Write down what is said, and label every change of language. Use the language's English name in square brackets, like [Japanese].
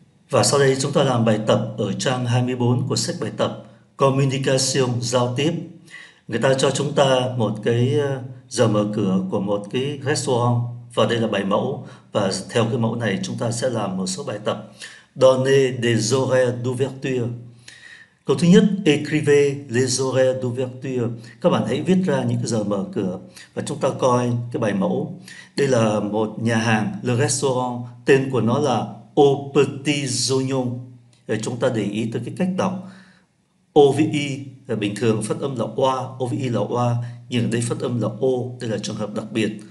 [Vietnamese] Và sau đây chúng ta làm bài tập ở trang 24 của sách bài tập Communication, giao tiếp. Người ta cho chúng ta một cái giờ mở cửa của một cái restaurant và đây là bài mẫu, và theo cái mẫu này chúng ta sẽ làm một số bài tập. [French] Donner des horaires d'ouverture. [Vietnamese] Câu thứ nhất, [French] écrivez les horaires d'ouverture. [Vietnamese] Các bạn hãy viết ra những cái giờ mở cửa và chúng ta coi cái bài mẫu. Đây là một nhà hàng, le restaurant, tên của nó là Au Petit Oignon. Để chúng ta để ý tới cái cách đọc OVE, là bình thường phát âm là oa, OVE là oa, nhưng ở đây phát âm là o, đây là trường hợp đặc biệt.